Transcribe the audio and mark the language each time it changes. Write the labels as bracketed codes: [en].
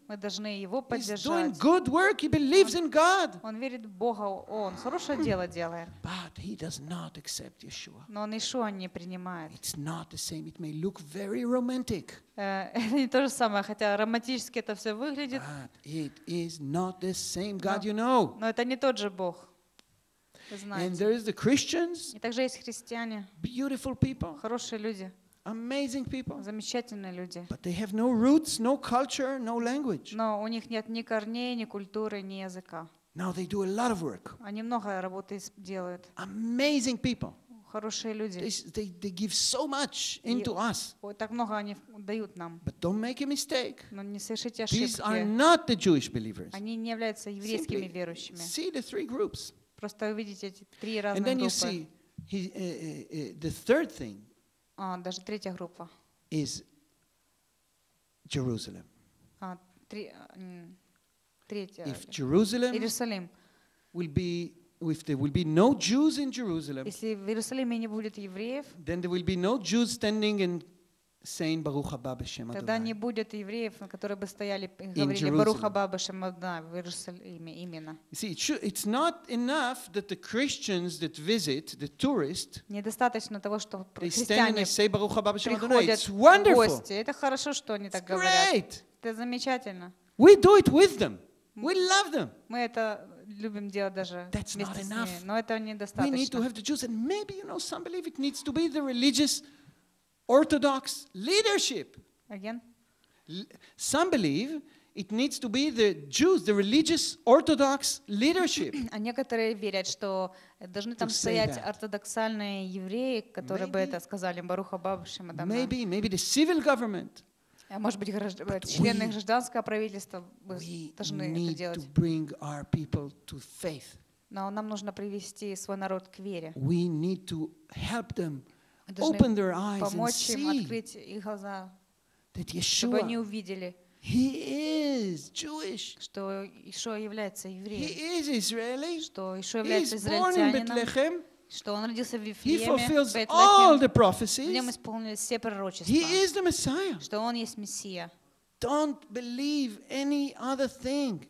[ru] Мы должны его поддержать. [en] He's doing good work. He believes in God. [ru] Он верит в Бога. Он хорошее дело делает. [en] But he does not accept Yeshua. [ru] Но он Иешуа не принимает. [en] It's not the same. It may look very romantic. [ru] Это не то же самое, хотя романтически это все выглядит. [en] But it is not the same God, you know. [ru] Но это не тот же Бог. [en] And there is the Christians. [ru] И также есть христиане. [en] Beautiful people. [ru] Хорошие люди. [en] Amazing people. [ru] Замечательные люди. [en] But they have no roots, no culture, no language. [ru] Но у них нет ни корней, ни культуры, ни языка. [en] Now they do a lot of work. [ru] Они много работы делают. [en] Amazing people. [ru] Хорошие люди. [en] They give so much into us. [ru] Так много они дают нам. [en] But don't make a mistake. [ru] Но не совершите ошибки. [en] These are not the Jewish believers. [ru] Они не являются еврейскими верующими. [en] See the three groups. [ru] Просто увидите эти три разные группы. [en] And then you see the third thing. [ru] А даже третья группа. [en] Is Jerusalem. [ru] А третья. [en] If Jerusalem. [ru] Иерусалим. [en] Will be if there will be no Jews in Jerusalem. [ru] Если в Иерусалиме не будет евреев. [en] Then there will be no Jews standing and saying [he] Baruch Haba B'Shem Adonai. [ru] Тогда не будет евреев, которые бы стояли и говорили [he] Baruch Haba B'Shem Adonai [ru] в Иерусалиме именно. [en] See, it's not enough that the Christians that visit, the tourists, [ru] недостаточно того, что христиане приходят в гости. Это хорошо, что они так говорят. Это замечательно. [en] We do it with them. We love them. [ru] Мы это любим делать даже вместе с ними. Но это недостаточно. [en] We need to have the Jews, and maybe you know some believe it needs to be the religious. Orthodox leadership. Again? Some believe it needs to be the Jews, the religious Orthodox leadership. [ru] А некоторые верят, что должны там стоять ортодоксальные евреи, которые бы это сказали, [he] Baruch Haba B'Shem Adonai. [en] Maybe the civil government. [ru] А может быть, члены гражданского правительства должны это делать. [en] We need to bring our people to faith. [ru] Но нам нужно привести свой народ к вере. [en] We need to help them. Open their eyes and see that Yeshua, he is Jewish. [ru] Что Иешуа является евреем. [en] He is Israeli. [ru] Что Иешуа является израильтянином. [en] He is born in Bethlehem. [ru] Что он родился в Вифлееме. [en] He fulfills all the prophecies. [ru] В нем исполнились все пророчества. [en] He is the Messiah. [ru] Что он есть Мессия. [en] Don't believe any other thing.